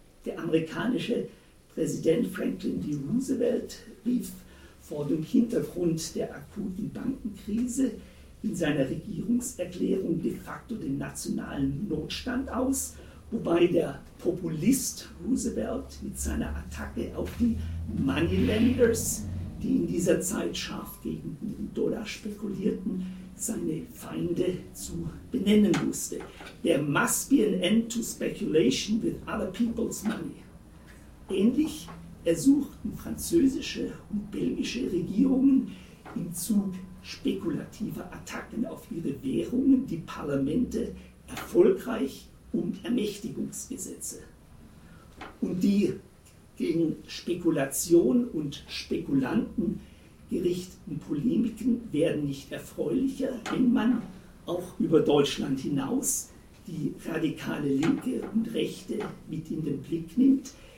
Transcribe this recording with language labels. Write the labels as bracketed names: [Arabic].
[German] Der amerikanische Präsident Franklin D. Roosevelt rief vor dem Hintergrund der akuten Bankenkrise in seiner Regierungserklärung de facto den nationalen Notstand aus, wobei der Populist Roosevelt mit seiner Attacke auf die Moneylenders, die in dieser Zeit scharf gegen den Dollar spekulierten, seine Feinde zu benennen wusste. [English] There must be an end to speculation with other people's money. [German] Ähnlich ersuchten französische und belgische Regierungen im Zug spekulativer Attacken auf ihre Währungen die Parlamente erfolgreich um Ermächtigungsgesetze. Und die gegen Spekulation und Spekulanten gerichteten Polemiken werden nicht erfreulicher, wenn man auch über Deutschland hinaus die radikale Linke und Rechte mit in den Blick nimmt,